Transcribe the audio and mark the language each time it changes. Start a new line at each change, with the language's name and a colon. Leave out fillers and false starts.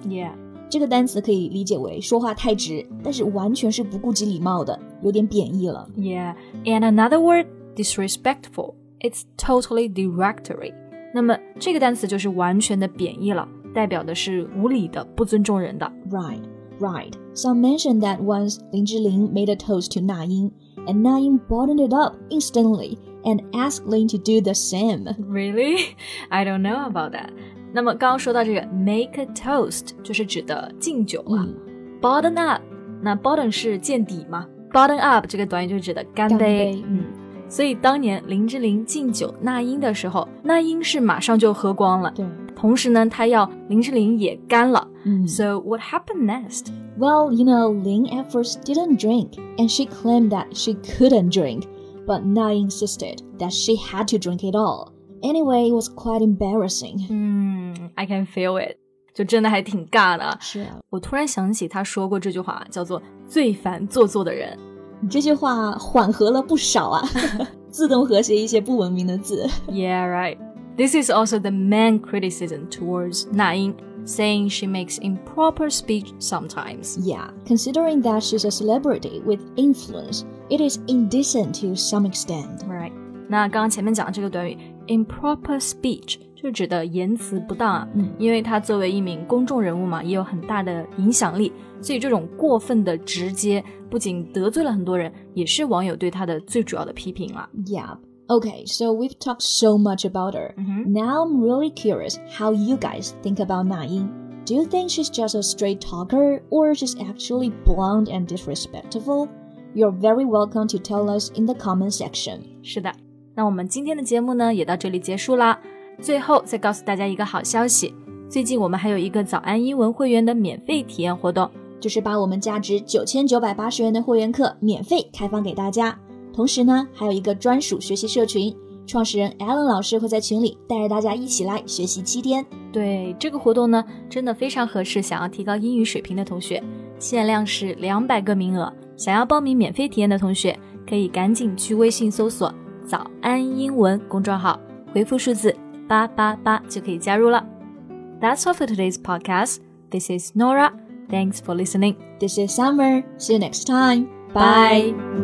English: Yeah,
Chinese: 这个单词可以理解为说话太直，但是完全是不顾及礼貌的，有点贬义了。
English: Yeah, and another word, disrespectful, it's totally derogatory.
Chinese: 那么这个单词就是完全的贬义了，代表的是无理的，不尊重人的。
English: Right, right. Some mentioned that once 林志玲 made a toast to 那英 and 那英 buttoned it up instantly and asked 林 to do the same. Really? I don't know about that.
Chinese: 那么刚刚说到这个 make a toast 就是指的敬酒了、嗯、 button up, 那 button 是见底嘛， button up 这个短语就指的干杯、嗯、所以当年林志玲敬酒那英的时候，那英是马上就喝光了。对，同时呢他要林志玲也干了、嗯、
English: So what happened next? Well, you know, Lin at first didn't drink and she claimed that she couldn't drink, but Na insisted that she had to drink it all. Anyway, it was quite embarrassing. I can feel it.
Chinese: 就真的还挺尬的。是啊，我突然想起他说过这句话，叫做最烦做作的人。你这句话缓和了不少啊，自动和谐一些不文明的字。
English: Yeah, right. This is also the main criticism towards Na Ying, saying she makes improper speech sometimes. Yeah, considering that she's a celebrity with influence, it is indecent to some extent. Right.
Chinese: 那刚刚前面讲的这个短语 improper speech 就指的言辞不当、啊嗯、因为她作为一名公众人物嘛，也有很大的影响力，所以这种过分的直接不仅得罪了很多人，也是网友对她的最主要的批评了、
English: 啊。Yeah. Okay, so we've talked so much about her.、 Mm-hmm. Now I'm really curious how you guys think about Na Ying. Do you think she's just a straight talker or she's actually blunt and disrespectful? You're very welcome to tell us in the comment section.
Chinese: 是的，那我们今天的节目呢也到这里结束啦。最后再告诉大家一个好消息，最近我们还有一个早安英文会员的免费体验活动，就是把我们价值9980元的会员课免费开放给大家。同时呢还有一个专属学习社群，创始人 Alan 老师会在群里带着大家一起来学习7天，对，这个活动呢真的非常合适想要提高英语水平的同学，限量是200个名额，想要报名免费体验的同学可以赶紧去微信搜索早安英文公众号，回复数字888就可以加入了。
English: That's all for today's podcast. This is Nora. Thanks for listening. This is Summer. See you next time. Bye.